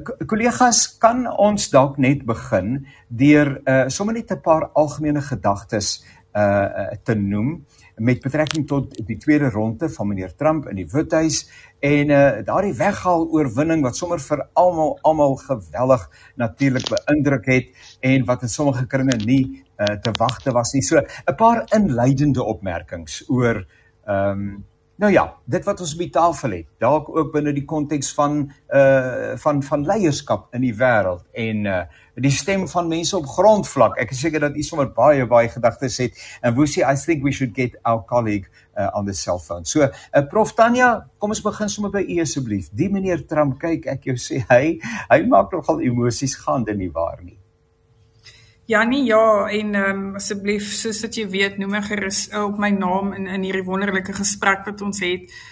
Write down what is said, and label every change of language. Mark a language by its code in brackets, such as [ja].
[af] Collega's, kan ons dalk net begin deur sommer net 'n paar algemene gedagtes te noem met betrekking tot die tweede ronde van meneer Trump in die Withuis en daardie weghaal oorwinning wat sommer vir almal geweldig natuurlik beïndruk het en wat in sommige kringe nie te wagte was nie. So 'n paar inleidende opmerkings oor nou ja, dit wat ons op die tafel het, dalk ook binnen die context van leierskap in die wêreld en die stem van mense op grondvlak. Ek is seker dat iets sommer baie, baie gedagtes het. [en] En Woesie, I think we should get our colleague on the cell phone. [af] So, Prof Tanya, kom ons begin sommer by u asseblief. Die meneer Trump, kyk, ek jou sê, hy maak nogal emosies gaande nie waar nie. Jannie, ja, en asseblief, soos dat jy weet, noem ek gerus op my naam in hierdie wonderlike gesprek wat ons het.